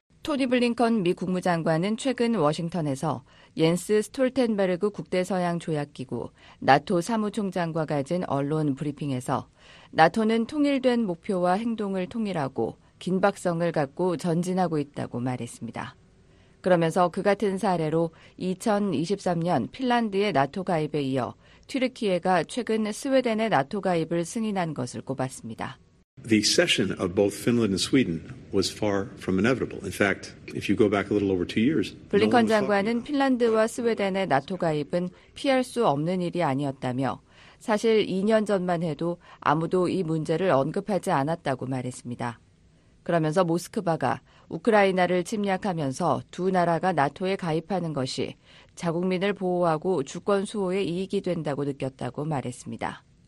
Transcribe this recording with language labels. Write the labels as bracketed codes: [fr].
[ko] 토니 블링컨 미 국무장관은 최근 워싱턴에서 옌스 스톨텐베르그 국대서양조약기구 나토 사무총장과 가진 언론 브리핑에서 나토는 통일된 목표와 행동을 통일하고 긴박성을 갖고 전진하고 있다고 말했습니다. 그러면서 그 같은 사례로 2023년 핀란드의 나토 가입에 이어 튀르키예가 최근 스웨덴의 나토 가입을 승인한 것을 꼽았습니다. [en] The accession of both Finland and Sweden was far from inevitable. In fact, if you go back a little over two years, [ko] 블링컨 장관은 핀란드와 스웨덴의 나토 가입은 피할 수 없는 일이 아니었다며 사실 2년 전만 해도 아무도 이 문제를 언급하지 않았다고 말했습니다. 그러면서 모스크바가 우크라이나를 침략하면서 두 나라가 나토에 가입하는 것이 자국민을 보호하고 주권 수호에 이익이 된다고 느꼈다고 말했습니다.